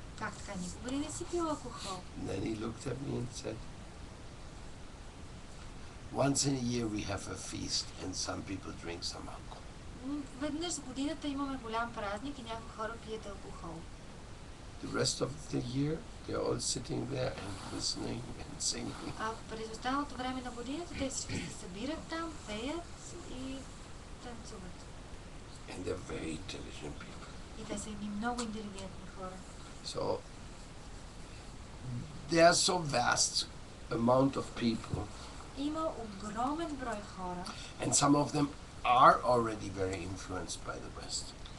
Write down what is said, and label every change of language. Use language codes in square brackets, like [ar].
[en] And then he looked at me and said, once in a year we have a feast and some people drink some alcohol. The rest of the year, they're all sitting there and listening and singing. [bg] А през останалото време на годината те всички се събират там, пеят и танцуват. [en] And they're very intelligent people. So there are so vast amount of people. And some of them are already very influenced by the West.